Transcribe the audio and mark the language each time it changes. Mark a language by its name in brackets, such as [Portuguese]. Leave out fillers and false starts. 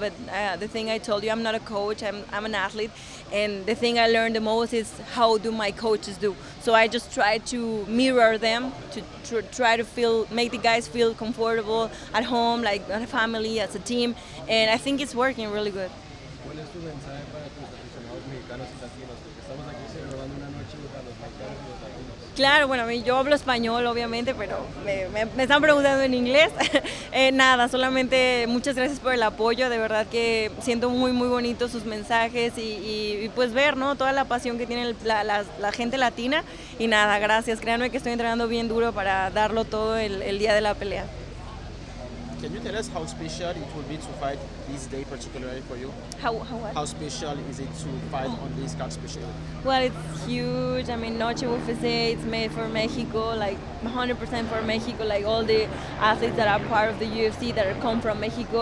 [English] But the thing I told you, I'm not a coach. I'm an athlete. And the thing I learned the most is how do my coaches do. So I just try to mirror them, to try to feel, make the guys feel comfortable at home, like a family, as a team. And I think it's working really good. [Spanish] ¿Cuál es tu mensaje para tus aficionados mexicanos y latinos? Porque estamos aquí celebrando una noche para los mexicanos y los latinos. Claro, bueno, yo hablo español, obviamente, pero me están preguntando en inglés. Nada, solamente muchas gracias por el apoyo. De verdad que siento muy, muy bonito sus mensajes y pues ver, ¿no?, toda la pasión que tiene la gente latina. Y nada, gracias. Créanme que estoy entrenando bien duro para darlo todo el día de la pelea. [English] Can you tell us how special it will be to fight this day particularly for you? How special is it to fight on this card specially? Well, it's huge. I mean, Noche UFC, it's made for Mexico, like 100% for Mexico, like all the athletes that are part of the UFC that come from Mexico.